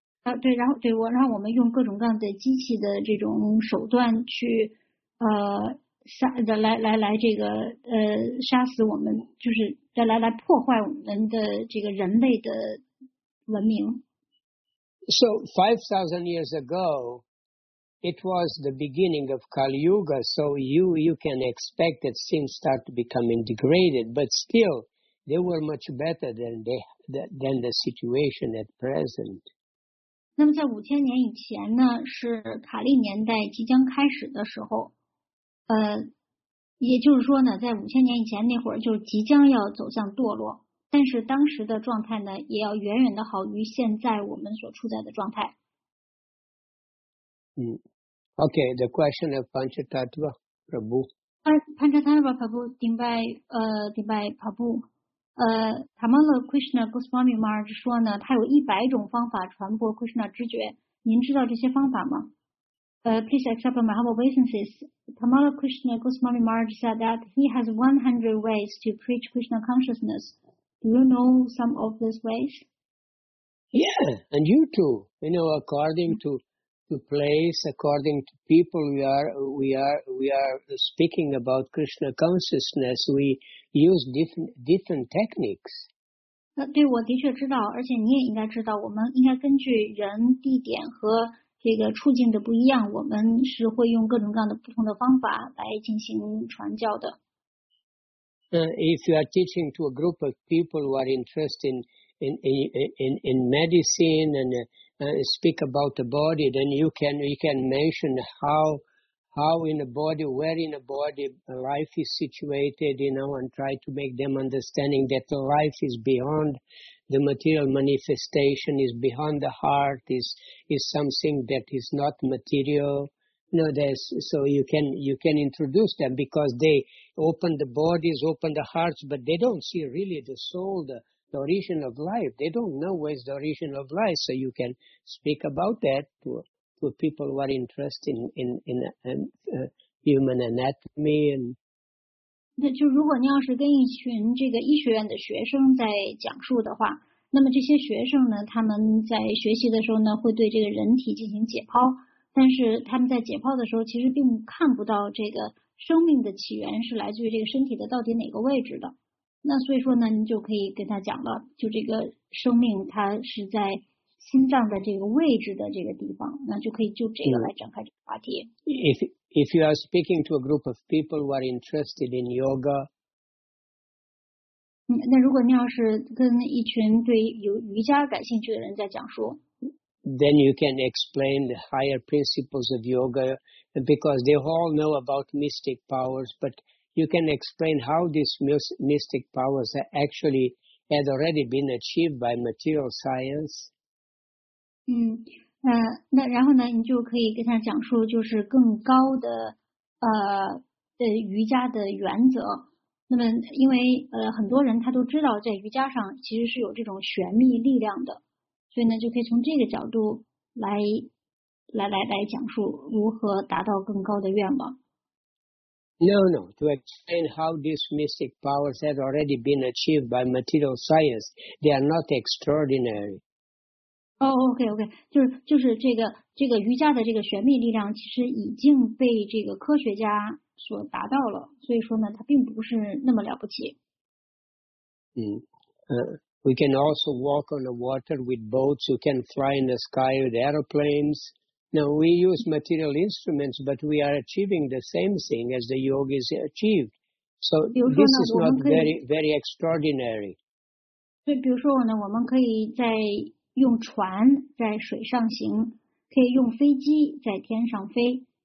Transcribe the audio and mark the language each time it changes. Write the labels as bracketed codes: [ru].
[zh] 啊，对，然后对我，然后我们用各种各样的机器的这种手段去杀的来这个杀死我们，就是再来破坏我们的这个人类的文明。 [en] So 5,000 years ago. It was the beginning of Kali Yuga, so you can expect that things start becoming degraded, but still, they were much better than the situation at present. [zh] 那么在五千年以前呢，是卡利年代即将开始的时候，也就是说呢，在五千年以前那会儿就即将要走向堕落，但是当时的状态呢，也要远远的好于现在我们所处在的状态。 [en] Okay, the question of Panchatattva Prabhu. Panchatattva Prabhu, Dimbai Prabhu. [zh] Tamala Krishna Goswami Maharaj 说呢，他有一百种方法传播 Krishna 知觉。您知道这些方法吗？ [en] Please accept my humble obeisances. Tamala Krishna Goswami Maharaj said that he has 100 ways to preach Krishna consciousness. Do you know some of these ways? Yeah, and you too. You know, according to... place according to people we are speaking about Krishna consciousness we use different techniques [zh] 对我的确知道而且你也应该知道我们应该根据人地点和这个处境的不一样我们是会用各种各样的不同的方法来进行传教的 [en] if you are teaching to a group of people who are interested in medicine andspeak about the body, then you can mention how in the body, where in the body life is situated, you know, and try to make them understanding that the life is beyond the material manifestation, is beyond the heart, is something that is not material. You know, so you can introduce them because they open the bodies, open the hearts, but they don't see really the soul, the origin of life. They don't know where's the origin of life, so you can speak about that to people who are interested in human anatomy. [zh] 那就如果你要是跟一群这个医学院的学生在讲述的话，那么这些学生呢，他们在学习的时候呢，会对这个人体进行解剖，但是他们在解剖的时候，其实并看不到这个生命的起源是来自于这个身体的到底哪个位置的。那所以说呢，你就可以跟他讲了，就这个生命它是在心脏的这个位置的这个地方，那就可以就这个来展开这个话题。 [en] If you are speaking to a group of people who are interested in yoga, [zh] 那如果你要是跟一群对瑜伽感兴趣的人在讲述 [en] then you can explain the higher principles of yoga, because they all know about mystic powers, but you can explain how these mystic powers are actually had already been achieved by material science. [zh] 那然后呢，你就可以跟他讲述就是更高的瑜伽的原则。那么因为很多人他都知道在瑜伽上其实是有这种玄秘力量的，所以呢就可以从这个角度来讲述如何达到更高的愿望。 [en] No, to explain how these mystic powers have already been achieved by material science, they are not extraordinary. [zh] Okay, 就是这个瑜伽的这个玄秘力量其实已经被这个科学家所达到了，所以说呢，它并不是那么了不起。 [en] We can also walk on the water with boats, we can fly in the sky with aeroplanes. Now, we use material instruments, but we are achieving the same thing as the yogis achieved. So, this is not very, very extraordinary. [zh] 对，比如说呢，我们可以在用船在水上行，可以用飞机在天上飞。